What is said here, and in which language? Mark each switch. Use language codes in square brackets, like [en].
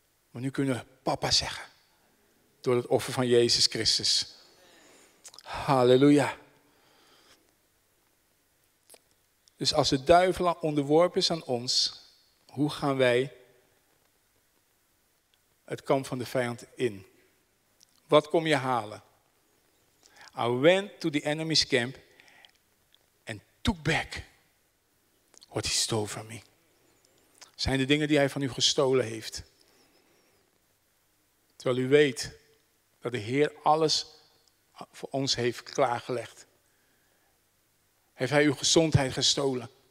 [nl] Maar nu kunnen we papa zeggen. Door het offer van Jezus Christus. Halleluja. Dus als de duivel onderworpen is aan ons, hoe gaan wij het kamp van de vijand in? Wat kom je halen? [en] I went to the enemy's camp and took back what he stole from me. [nl] Zijn de dingen die hij van u gestolen heeft. Terwijl u weet dat de Heer alles voor ons heeft klaargelegd. Heeft hij uw gezondheid gestolen?